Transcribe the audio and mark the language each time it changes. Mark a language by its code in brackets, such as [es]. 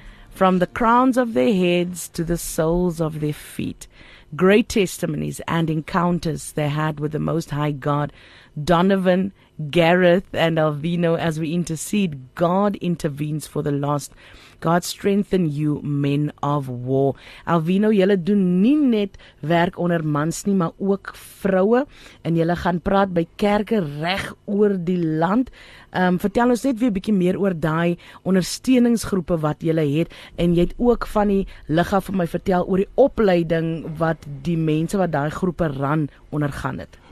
[en] From the crowns of their heads to the soles of their feet. Great testimonies and encounters they had with the Most High God. Donovan, Gareth, and Alvino, as we intercede, God intervenes for the lost. God strengthen you, men of war. [af] Alvino, julle doen nie net werk onder mans nie, maar ook vroue. En julle gaan praat by kerke reg oor die land. Vertel ons net weer bietjie meer oor daai ondersteuningsgroepe wat julle het. En jy het ook van die liga vir my vertel oor die opleiding wat die mense wat daai groepe ran ondergaan het.